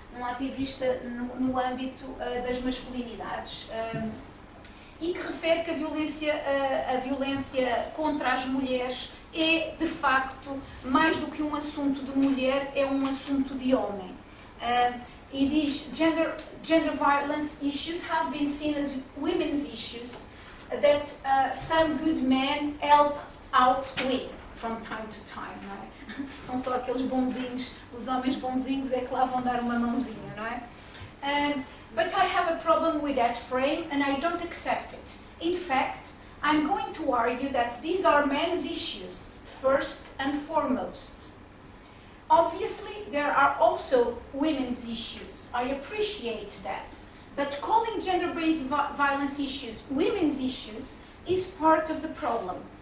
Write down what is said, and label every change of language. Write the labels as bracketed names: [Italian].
[Portuguese] Um ativista no âmbito das masculinidades, e que refere que a violência contra as mulheres é, de facto, mais do que um assunto de mulher, é um assunto de homem. e diz [English] gender violence issues have been seen as women's issues that some good men help out with from time to time, [Portuguese] não é? São só aqueles bonzinhos, os homens bonzinhos é que lá vão dar uma mãozinha, não é? [English] But I have a problem with that frame and I don't accept it. In fact, I'm going to argue that these are men's issues first and foremost. Obviously, there are also women's issues. I appreciate that. But calling gender-based violence issues women's issues is part of the problem.